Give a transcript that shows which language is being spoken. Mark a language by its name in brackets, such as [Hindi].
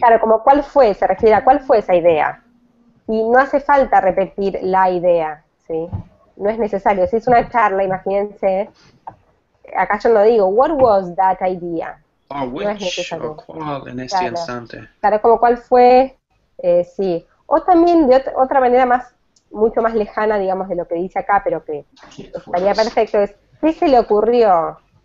[Spanish] Claro, como cuál fue, se refiere a cuál fue esa idea. Y no hace falta repetir la idea, ¿sí? No es necesario. Si es una charla, imagínense, acá yo no digo, [English] what was that idea? [Spanish] Which, no es necesario. ¿Cuál en este claro. instante? Claro, como cuál fue, sí. O también de otra manera más mucho más lejana, digamos, de lo que dice acá, pero que estaría perfecto, es, ¿qué se le ocurrió?